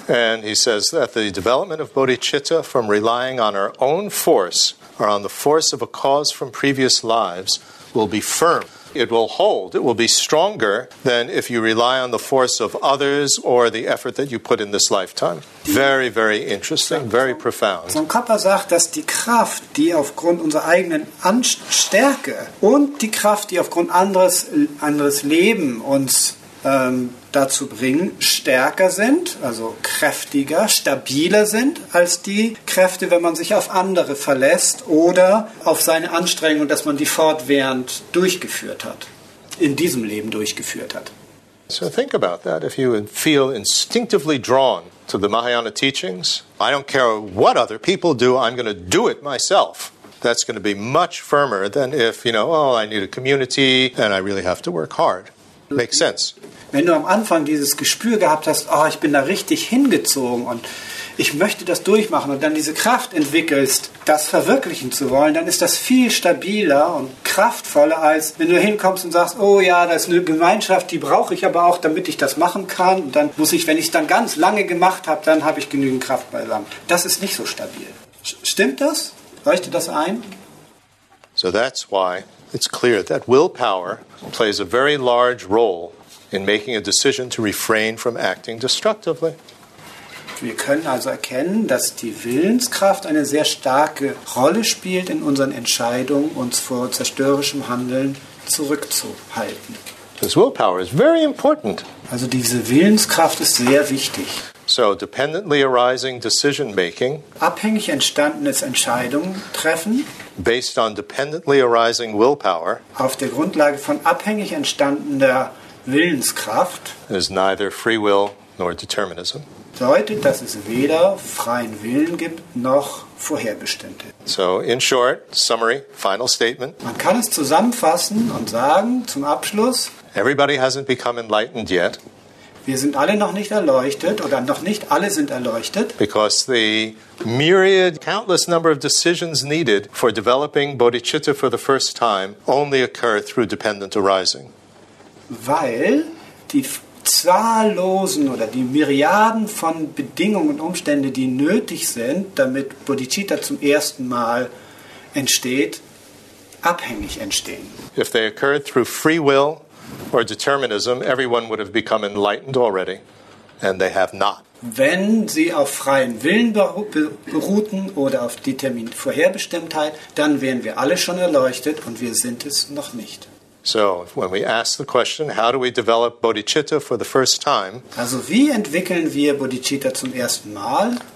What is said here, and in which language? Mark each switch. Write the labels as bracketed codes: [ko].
[en] And he says that the development of bodhicitta from relying on our own force or on the force of a cause from previous lives will be firm. It will hold. It will be stronger than if you rely on the force of others or the effort that you put in this lifetime. Very, very interesting. Very profound. [de] Tsongkhapa sagt, dass die Kraft, die aufgrund unserer eigenen Stärke und die Kraft, die aufgrund anderes Leben uns dazu bringen, stärker sind, also kräftiger, stabiler sind als die Kräfte, wenn man sich auf andere verlässt oder auf seine Anstrengung, dass man die fortwährend durchgeführt hat, in diesem Leben durchgeführt hat. [en] So think about that. If you feel instinctively drawn to the Mahayana teachings, I don't care what other people do, I'm going to do it myself. That's going to be much firmer than if, you know, oh, I need a community and I really have to work hard. Makes sense. [de] Wenn du am Anfang dieses Gespür gehabt hast, oh, ich bin da richtig hingezogen und ich möchte das durchmachen und dann diese Kraft entwickelst, das verwirklichen zu wollen, dann ist das viel stabiler und kraftvoller, als wenn du hinkommst und sagst, oh ja, das ist eine Gemeinschaft, die brauche ich aber auch, damit ich das machen kann. Und dann muss ich, wenn ich es dann ganz lange gemacht habe, dann habe ich genügend Kraft beisammen. Das ist nicht so stabil. Stimmt das? Leuchtet das ein? [en] So that's why it's clear that willpower plays a very large role in making a decision to refrain from acting destructively. [de] Wir können also erkennen, dass die Willenskraft eine sehr starke Rolle spielt in unseren Entscheidungen, uns vor zerstörerischem Handeln zurückzuhalten. [en] This willpower is very important. [de] Also diese Willenskraft ist sehr wichtig. [en] So dependently arising decision making, [de] abhängig entstandenes Entscheidungen treffen, [en] based on dependently arising willpower, [de] auf der Grundlage von abhängig entstandener Willenskraft, [en] is neither free will nor determinism. [de] Bedeutet, dass es weder freien Willen gibt noch vorherbestimmte. [en] So in short, summary, final statement. [de] Man kann es zusammenfassen und sagen zum Abschluss. [en] Everybody hasn't become enlightened yet. [de] Wir sind alle noch nicht erleuchtet oder noch nicht alle sind erleuchtet. [en] Because the myriad, countless number of decisions needed for developing bodhicitta for the first time only occur through dependent arising. [de] Weil die zahllosen oder die Myriaden von Bedingungen und Umständen, die nötig sind, damit bodhicitta zum ersten Mal entsteht, abhängig entstehen. [en] If they occurred through free will or determinism, everyone would have become enlightened already, and they have not. [de] Wenn sie auf freien Willen beruhten oder auf determinierte Vorherbestimmtheit, dann wären wir alle schon erleuchtet und wir sind es noch nicht. [en] So, when we ask the question, how do we develop bodhicitta for the first time? [de] Also, wie entwickeln wir bodhicitta zum ersten Mal?